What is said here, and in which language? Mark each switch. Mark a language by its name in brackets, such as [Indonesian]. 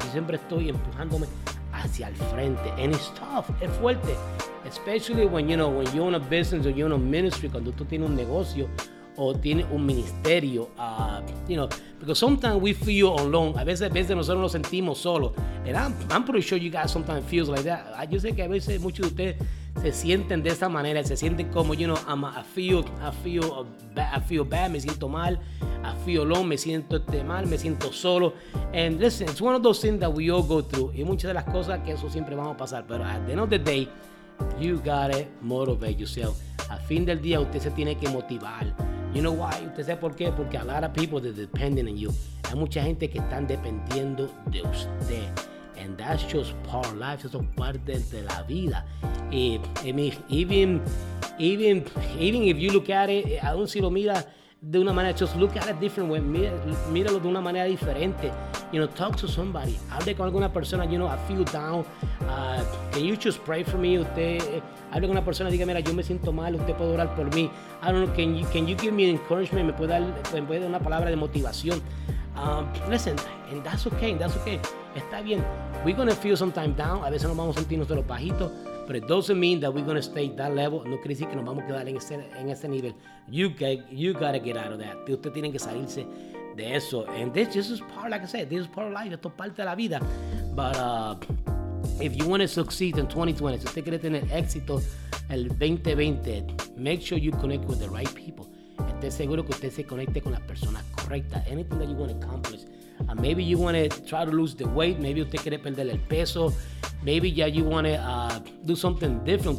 [Spanish] Y siempre estoy empujándome hacia el frente. [English] And it's tough. [Spanish] Es fuerte. [English] Especially when you own a business or you own a ministry, [Spanish] cuando tú tienes un negocio o tienes un ministerio, [English] because sometimes we feel alone. [Spanish] A veces nosotros nos sentimos solos. [English] And I'm pretty sure you guys sometimes feel like that. [Spanish] Yo sé que a veces muchos de ustedes se sienten de esa manera, se sienten como, [English] I feel bad, [Spanish] me siento mal, [English] I feel alone, [Spanish] me siento mal, me siento solo. [English] And listen, it's one of those things that we all go through. [Spanish] Y muchas de las cosas que eso siempre vamos a pasar, pero [English] at the end of the day, you gotta motivate yourself. [Spanish] A fin del día, usted se tiene que motivar. [English] You know why? [Spanish] ¿Usted sabe por qué? [English] Porque a lot of people are depending on you. [Spanish] Hay mucha gente que están dependiendo de usted. [English] And that's just part of life. [Spanish] Eso es parte de la vida. [English] Even if you look at it, [Spanish] aún si lo mira de una manera, [English] just look at it different way. [Spanish] Míralo de una manera diferente. [English] Talk to somebody. [Spanish] Hable con alguna persona, [English] I feel down. Can you just pray for me? [Spanish] Hable con una persona, diga, mira, yo me siento mal, usted puede orar por mí. [English] I don't know, can you give me encouragement? [Spanish] Me puede dar una palabra de motivación. [English] Listen, and that's okay. [Spanish] Está bien. [English] We're going to feel sometimes down. [Spanish] A veces nos vamos a sentir nosotros bajitos. [English] But it doesn't mean that we're going to stay that level. [Spanish] No quiere decir que nos vamos a quedar en ese nivel. [English] You got to get out of that. [Spanish] Usted tiene que salirse de eso. [English] And this is part, like I said, this is part of life. [Spanish] Esto es parte de la vida. [English] But if you want to succeed in 2020, [Spanish] si usted quiere tener éxito el 2020, [English] make sure you connect with the right people. [Spanish] Esté seguro que usted se conecte con las personas correctas. [English] Anything that you want to accomplish. Maybe you want to try to lose the weight. Maybe [Spanish] usted quiere perder el peso. [English] Maybe yeah, you want to do something different.